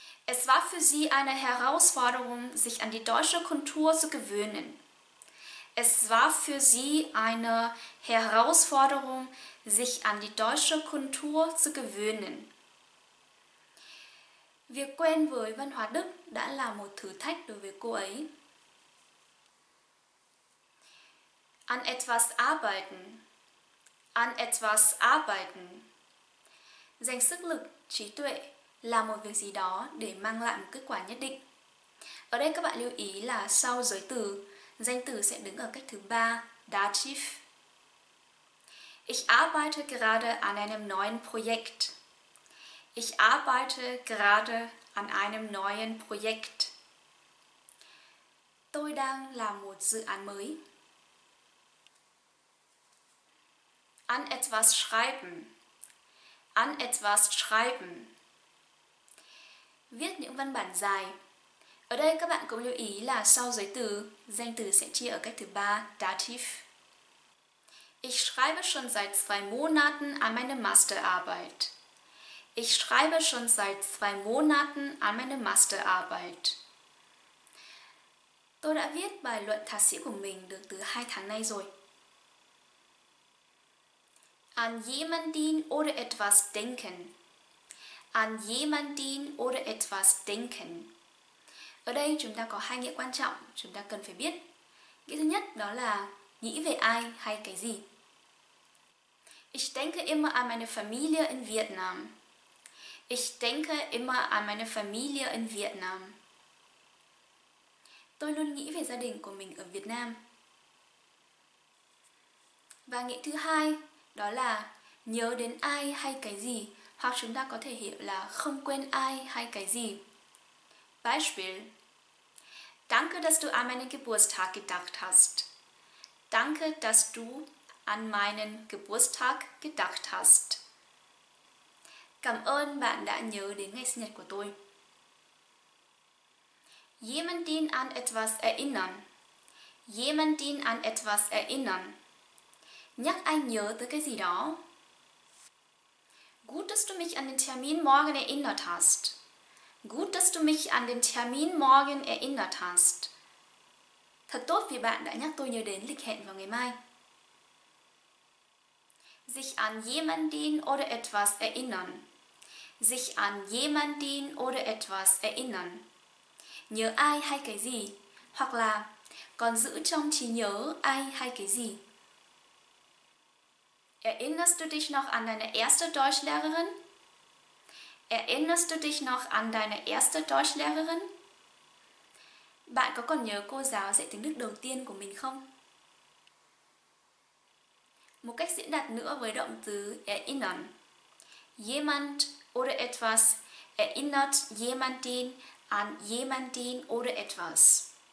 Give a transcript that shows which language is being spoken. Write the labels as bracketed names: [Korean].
[German] Es war für sie eine Herausforderung, sich an die deutsche Kultur zu gewöhnen. Es war für sie eine Herausforderung, sich an die deutsche Kultur zu gewöhnen. [Vietnamese] Việc quen với văn hóa Đức đã là một thử thách đối với cô ấy. [German] An etwas arbeiten. An etwas arbeiten. [Vietnamese] Dành sức lực, trí tuệ, làm một việc gì đó để mang lại một kết quả nhất định. Ở đây các bạn lưu ý là sau giới từ, danh từ sẽ đứng ở cách thứ ba, Dativ. [German] Ich arbeite gerade an einem neuen Projekt. Ich arbeite gerade an einem neuen Projekt. [Vietnamese] Tôi đang làm một dự án mới. [German] An etwas schreiben. An etwas schreiben. [Vietnamese] Viết những văn bản dài. Ở đây các bạn cũng lưu ý là sau giới từ, danh từ sẽ chia ở cách thứ ba, Dativ. [German] Ich schreibe schon seit 2 Monaten an meine Masterarbeit. Ich schreibe schon seit 2 Monaten an meine Masterarbeit. [Vietnamese] Tôi đã viết bài luận thạc sĩ của mình được từ 2 tháng nay rồi. [German] An jemanden oder etwas denken. An jemanden oder etwas denken. [Vietnamese] Ở đây chúng ta có 2 nghĩa quan trọng chúng ta cần phải biết. Nghĩa thứ nhất đó là nghĩ về ai hay cái gì. [German] Ich denke immer an meine Familie in Vietnam. Ich denke immer an meine Familie in Vietnam. [Vietnamese] Tôi luôn nghĩ về gia đình của mình ở Việt Nam. Và nghĩa thứ hai đó là nhớ đến ai hay cái gì, hoặc chúng ta có thể hiểu là không quên ai hay cái gì. [German] Beispiel: Danke, dass du an meinen Geburtstag gedacht hast. Danke, dass du an meinen Geburtstag gedacht hast. [Vietnamese] Cảm ơn bạn đã nhớ đến ngày sinh nhật của tôi. [German] Jemanden an etwas erinnern. Jemanden an etwas erinnern. [Vietnamese] Nhắc anh nhớ tới cái gì đó. [German] Gut, dass du mich an den Termin morgen erinnert hast. Gut, dass du mich an den Termin morgen erinnert hast. [Vietnamese] Thật tốt vì bạn đã nhắc tôi nhớ đến lịch hẹn vào ngày mai. [German] Sich an jemanden oder etwas erinnern. Sich an jemanden oder etwas erinnern. [Vietnamese] Nhớ ai hay cái gì? Hoặc là còn giữ trong trí nhớ ai hay cái gì? [German] Erinnerst du dich noch an deine erste Deutschlehrerin? Erinnerst du dich noch an deine erste Deutschlehrerin? [Vietnamese] Bạn có còn nhớ cô giáo dạy tiếng Đức đầu tiên của mình không? Một cách diễn đạt nữa với động từ erinnern. [German] Jemand oder etwas erinnert jemanden an jemanden oder etwas.